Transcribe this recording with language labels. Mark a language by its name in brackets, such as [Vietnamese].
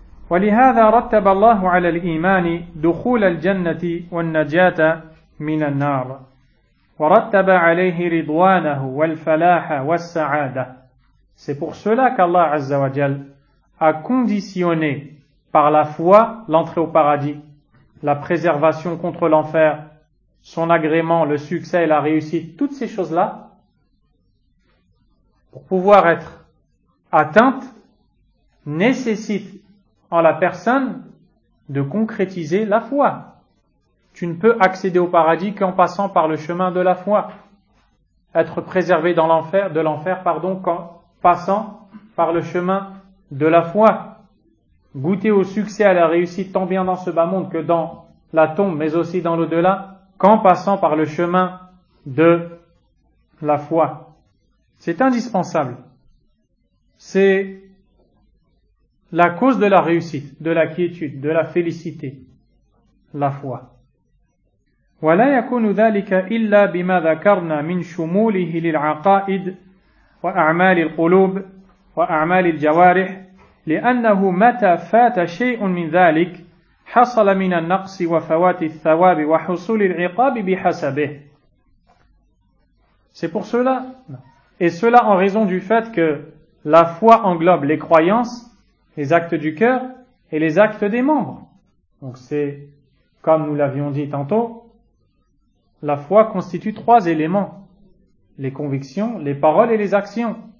[Arabic] ولهذا رتب الله على الإيمان دخول الجنة والنجاة من النار ورتب عليه رضوانه والفلاح والسعادة. [French] C'est pour cela qu'Allah Azza wa Jal a conditionné par la foi l'entrée au paradis, la préservation contre l'enfer, son agrément, le succès et la réussite, toutes ces choses-là, pour pouvoir être atteintes, nécessitent en la personne de concrétiser la foi. Tu ne peux accéder au paradis qu'en passant par le chemin de la foi, être préservé dans l'enfer, de l'enfer, pardon, qu'en passant par le chemin de la foi. Goûter au succès, à la réussite, tant bien dans ce bas monde que dans la tombe, mais aussi dans l'au-delà, qu'en passant par le chemin de la foi. C'est indispensable. C'est la cause de la réussite, de la quiétude, de la félicité, la foi. [Arabic] وَلَا يَكُونُ ذَلِكَ إِلَّا بِمَا ذَكَرْنَا مِنْ شُمُولِهِ لِلْعَقَائِدِ وَأَعْمَالِ الْقُلُوبِ وَأَعْمَالِ الْجَوَارِحِ لأنه متى فات شيء من ذلك حصل من النقص وفوات الثواب وحصول العقاب بحسبه. [French] C'est pour cela, et cela en raison du fait que la foi englobe les croyances, les actes du cœur et les actes des membres. Donc c'est comme nous l'avions dit tantôt, la foi constitue trois éléments: les convictions, les paroles et les actions.